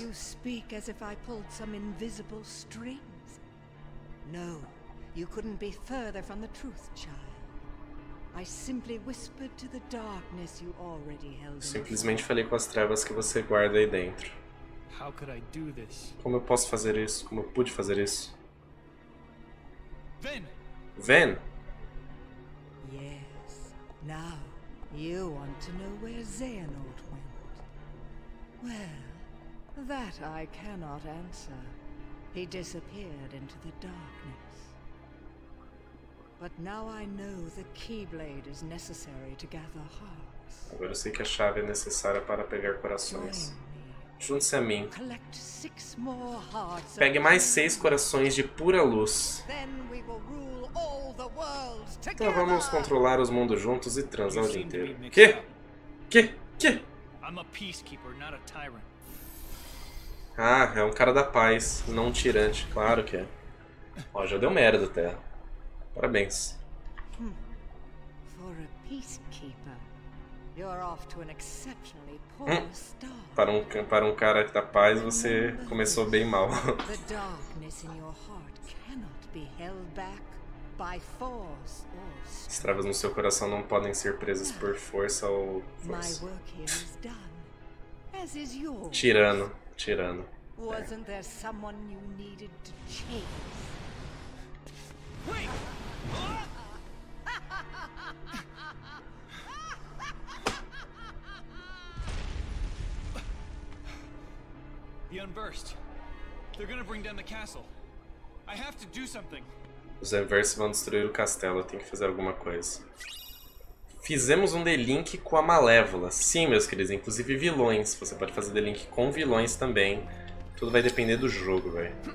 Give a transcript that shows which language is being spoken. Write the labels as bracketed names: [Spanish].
[English] You speak as if I pulled some invisible strings. No, you couldn't be further from the truth, child. I simply whispered to the darkness you already held. [Portuguese] Simplesmente falei com as trevas que você guarda aí dentro. [English] How could I do this? [Portuguese] Como eu posso fazer isso? Como eu pude fazer isso? Ven. Ven. [English] Yes. Now. You want to know where Xehanort went? Well, that I cannot answer. He disappeared into the darkness. But now I know the Keyblade is necessary to gather hearts. [Portuguese] Agora eu sei que a chave é necessária para pegar corações. Junte-se a mim. [English] Collect six more hearts. [Portuguese] Pegue mais seis corações de pura luz. [English] Then we will rule all the world together. [Portuguese] Então vamos controlar os mundos juntos e transar o dia inteiro. Quê? Quê? Quê? [English] I'm a peacekeeper, not a tyrant. [Portuguese] Ah, é um cara da paz, não um tirante. Claro que é. Ó, já deu merda, Terra. Parabéns. [English] for a peacekeeper, you're off to an exceptionally poor start. [Portuguese] Para um cara da paz, você começou bem mal. [English] The darkness in your heart cannot be held back by force or strength. [Portuguese] As trevas no seu coração não podem ser presas por força ou força. [English] My work here is done, as is yours. [Portuguese] Tirano. [English] Wasn't there someone you needed to chase? Wait! The Unversed. They're gonna bring down the castle. I have to do something. [Portuguese] Os Unversed vão destruir o castelo. Eu tenho que fazer alguma coisa. Fizemos um delink com a Malévola. Sim, meus queridos. Inclusive vilões. Você pode fazer delink com vilões também. Tudo vai depender do jogo, velho.